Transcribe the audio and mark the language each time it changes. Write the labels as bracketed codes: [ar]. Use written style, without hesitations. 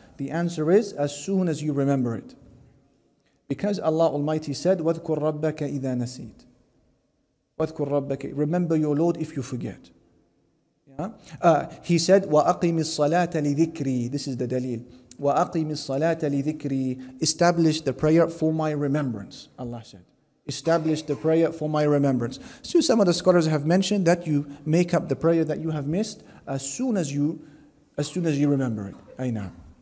[en] The answer is as soon as you remember it. Because Allah Almighty said, [ar] وَذْكُرْ رَبَّكَ إِذَا نَسِيتْ. وَذْكُرْ رَبَّكَ, [en] remember your Lord if you forget. Yeah? He said, [ar] وَأَقِمِ الصَّلَاةَ لِذِكْرِي. [en] This is the dalil. [ar] وَأَقِمِ الصَّلَاةَ لِذِكْرِي. [en] Establish the prayer for my remembrance, Allah said. Establish the prayer for my remembrance. So some of the scholars have mentioned that you make up the prayer that you have missed as soon as you remember it. Ayna.